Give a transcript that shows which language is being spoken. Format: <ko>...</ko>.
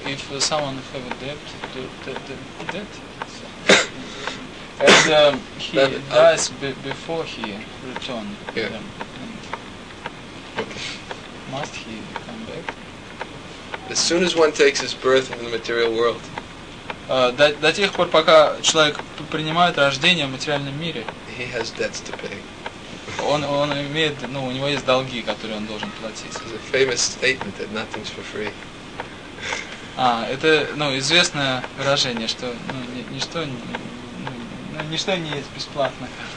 <en>If someone have a debt, the debt. And he dies before he returns them. Okay. Must he come back? As soon as one takes his birth in the material world.</en> <ru>До тех пор, пока человек принимает рождение в материальном мире.</ru> <en>He has debts to pay.</en> <ru>Он имеет, ну, у него есть долги, которые он должен платить.</ru> <en>It's a famous statement that nothing's for free.</en> <ru>Это, ну, известное выражение, что, ну, ничто не есть бесплатно.</ru>